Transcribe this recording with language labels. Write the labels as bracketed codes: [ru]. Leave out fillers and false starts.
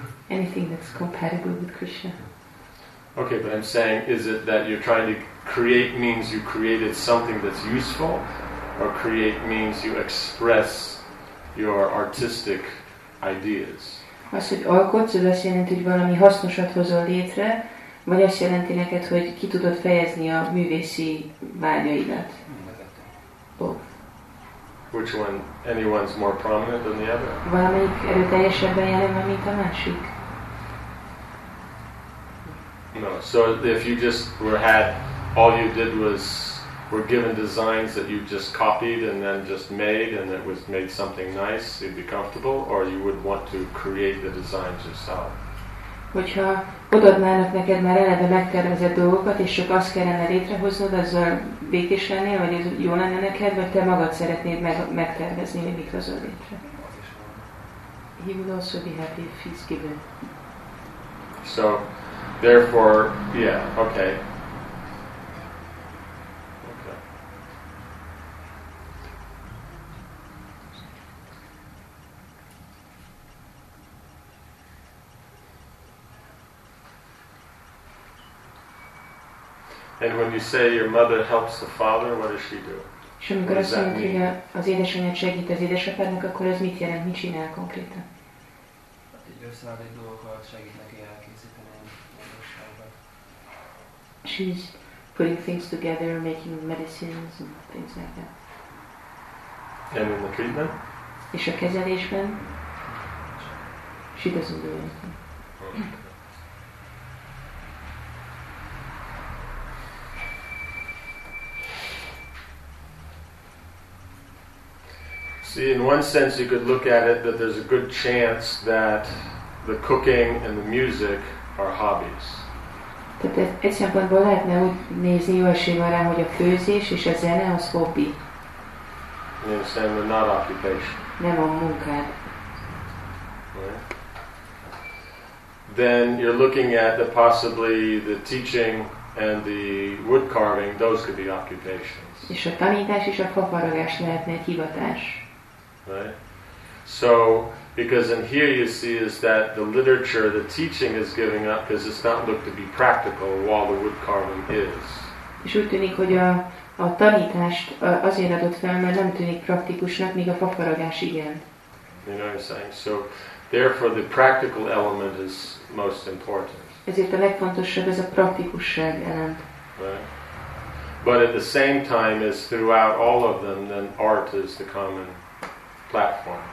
[en] Anything that's compatible with Krishna. Okay, but I'm saying, is it that you're trying to create means you created something that's useful, or create means you express your artistic ideas? [hu] Az, hogy alkotsz, az azt jelenti, hogy valami hasznosat hozol létre, vagy azt jelenti neked, hogy ki tudod fejezni a művészi vágyaidat? [en] Both. Which one, anyone's more prominent than the other? [hu] Valamelyik erőteljesebben jelen van, mint a másik? [en] No, so if you just all you did was were given designs that you just copied and then just made and it was made something nice, you'd be comfortable, or you would want to create the designs yourself? [hu] Hogyha odaadnának neked már eleve megtervezett dolgokat, és csak azt kellene létrehoznod, azzal békés lennél, vagy ez jó lenne neked, vagy te magad szeretnéd megtervezni, hogy mit hozol létre? [en] He would also be happy if he's given. So, therefore, yeah, okay. And when you say your mother helps the father, what does she do? She does that. Mean? [hu] Az édesanyja segít az édesapádnak, akkor ez mit jelent? Mit csinál konkrétan? Egy összeállt egy dolgokat segít neki elkészíteni magasságot. [en] She's putting things together, making medicines and things like that. And in the treatment? [hu] És a kezelésben? [en] She doesn't do anything. See, in one sense you could look at it that there's a good chance that the cooking and the music are hobbies. [hu] Tehát egy szempontból lehetne úgy nézni, jó esély van rá, hogy a főzés és a zene az hobbi. [en] You understand, they're not occupation. [hu] Nem a munkád. [en] Then you're looking at the possibly the teaching and the wood carving, those could be occupations. [hu] És a tanítás és a faparagás lehetne egy hivatás. [en] Right. So, because in here you see is that the literature, the teaching is giving up because it's not looked to be practical while the wood carving is. [hu] És úgy tűnik, hogy a tanítást azért adott fel, mert nem tűnik praktikusnak, míg a faparagás igen. [en] You know what I'm saying? So, therefore the practical element is most important. [hu] Ezért a legfontosabb ez a praktikusság elem. [en] But at the same time as throughout all of them, then art is the common platform.